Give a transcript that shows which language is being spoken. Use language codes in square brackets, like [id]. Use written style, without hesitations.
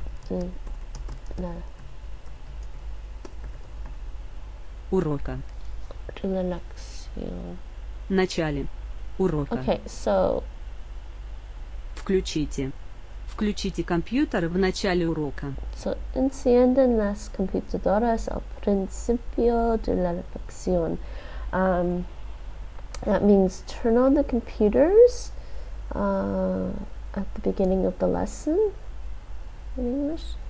[en] No. [ru] Урока. Релаксион. Начале. Урока. [en] Okay, so... [ru] Включите. Включите компьютер в начале урока. [es] So, encienden las computadoras al principio de la lección. [en] That means turn on the computers at the beginning of the lesson in English.